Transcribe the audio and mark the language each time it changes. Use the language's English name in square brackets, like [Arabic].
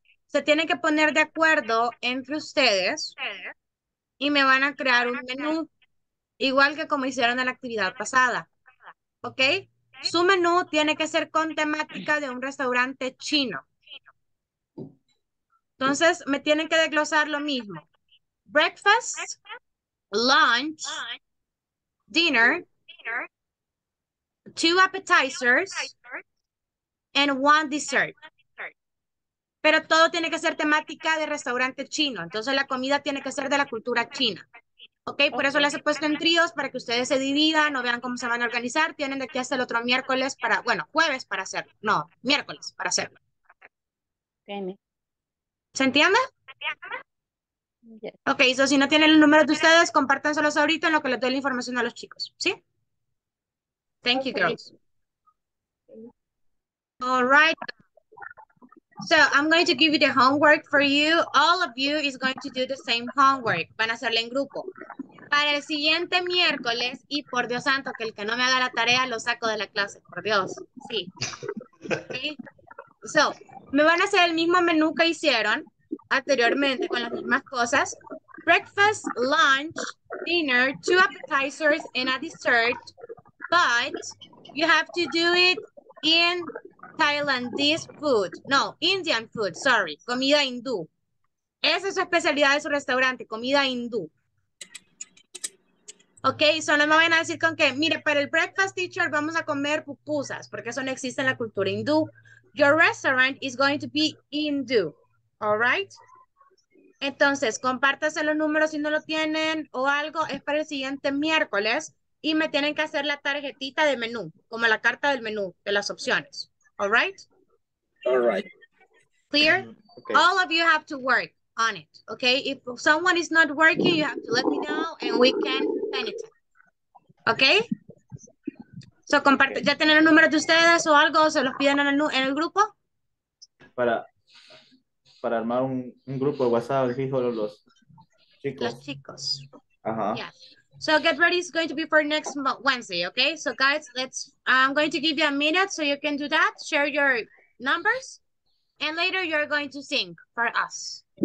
[Spanish] Se tienen que poner de acuerdo entre ustedes y me van a crear un menú. Igual que como hicieron en la actividad pasada, ¿ok? Su menú tiene que ser con temática de un restaurante chino. Entonces, me tienen que desglosar lo mismo. [English] Breakfast, lunch, dinner, two appetizers, and one dessert. [Spanish] Pero todo tiene que ser temática de restaurante chino. Entonces, la comida tiene que ser de la cultura china. Okay, por eso las he puesto en tríos, para que ustedes se dividan o vean cómo se van a organizar. Tienen de aquí hasta el otro miércoles para, bueno, jueves para hacerlo. No, miércoles para hacerlo. [English] Okay. [Spanish] ¿Se entiende? [English] Yes. [Spanish] Ok, so si no tienen el número de ustedes, compártanselos ahorita en lo que les doy la información a los chicos, ¿sí? [English] Thank you, girls. All right. So, I'm going to give you the homework for you. All of you is going to do the same homework. [Spanish] Van a hacerlo en grupo. Para el siguiente miércoles, y por Dios santo, que el que no me haga la tarea lo saco de la clase, por Dios. Sí. Okay. So, me van a hacer el mismo menú que hicieron anteriormente con las mismas cosas. [English] Breakfast, lunch, dinner, 2 appetizers, and a dessert. But you have to do it in... Thailandese food, no, Indian food, sorry, [Spanish] comida hindú. Esa es su especialidad de su restaurante, comida hindú. Ok, so no me van a decir con que, mire, para el breakfast, teacher, vamos a comer pupusas, porque eso no existe en la cultura hindú. [English] Your restaurant is going to be hindú, all right? [Spanish] Entonces, compártase los números si no lo tienen o algo, es para el siguiente miércoles y me tienen que hacer la tarjetita de menú, como la carta del menú, de las opciones. [English] All right? All right. Clear? Okay. All of you have to work. on it, okay? If someone is not working, you have to let me know and we can spend it, okay? [Spanish] So, comparte, ¿ya tienen el número de ustedes o algo? ¿Se los piden en el grupo? Para armar un grupo de WhatsApp, fijo los chicos. Los chicos. Ajá. [English] Yes. So, get ready, it's going to be for next Wednesday, okay? So, guys, I'm going to give you a minute so you can do that, share your numbers, and later you're going to sing for us.